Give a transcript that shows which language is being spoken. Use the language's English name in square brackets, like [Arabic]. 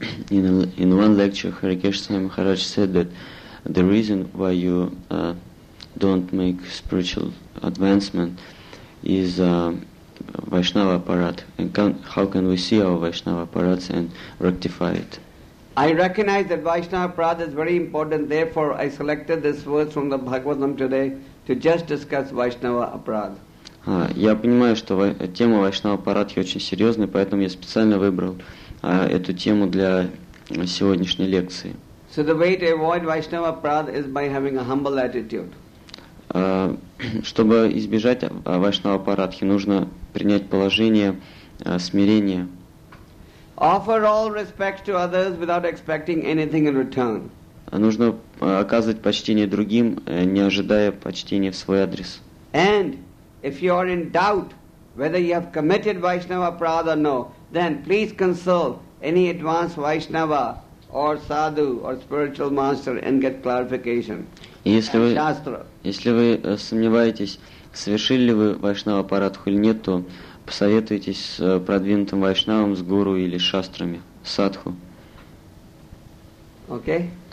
[English] In one lecture, Hare Krishna Maharaj said that the reason why you don't make spiritual advancement is Vaishnava aparat. And how can we see our Vaishnava aparat and rectify it? I recognize that Vaishnava aparat is very important. Therefore, I selected this verse from the Bhagavatam today to just discuss Vaishnava aparat. [Russian] Я понимаю, что тема Вайшнава Парадхи очень серьезная, поэтому я специально выбрал эту тему для сегодняшней лекции. [English] So the way to avoid Vaishnava Parada is by having a humble attitude. [Russian] Чтобы избежать Вайшнава Парадхи, нужно принять положение смирения. [English] Offer all respect to others without expecting anything in return. [Russian] Нужно оказывать почтение другим, не ожидая почтения в свой адрес. [English] And if you are in doubt whether you have committed Vaishnava Parada or no, then please consult any advanced Vaishnava or sadhu or spiritual master and get clarification. [Russian] Если вы сомневаетесь, совершили ли вы вайшнава парадху или нет, то посоветуйтесь с продвинутым вайшнавом, с гуру или шастрами, садху. Окей.